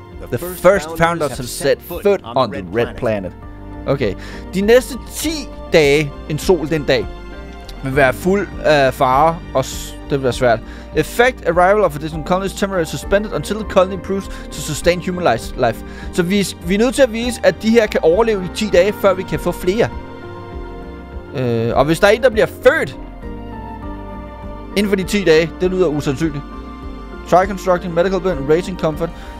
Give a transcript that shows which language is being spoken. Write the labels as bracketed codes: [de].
[en] The first founders have set foot on the red planet. Okay. [da] De næste 10 dage, en sol den dag, vil være fuld af fare, og det vil være svært. [en] Effect arrival of a distant colony is temporarily suspended until the colony proves to sustain human life. [da] Så vi er nødt til at vise, at de her kan overleve i 10 dage, før vi kan få flere. Og hvis der er en, der bliver født inden for de 10 dage, det lyder usandsynligt. [en] Try constructing medical burn, raising comfort.